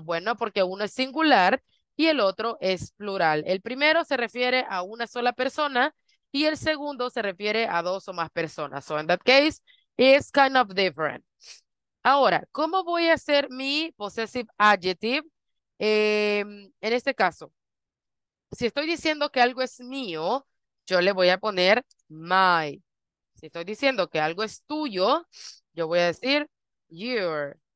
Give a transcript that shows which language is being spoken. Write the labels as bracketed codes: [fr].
[es] Bueno, porque uno es singular y el otro es plural. El primero se refiere a una sola persona y el segundo se refiere a dos o más personas. [en] So in that case, it's kind of different. [es] Ahora, ¿cómo voy a hacer mi possessive adjective? En este caso. Si estoy diciendo que algo es mío, yo le voy a poner my. Si estoy diciendo que algo es tuyo, yo voy a decir your.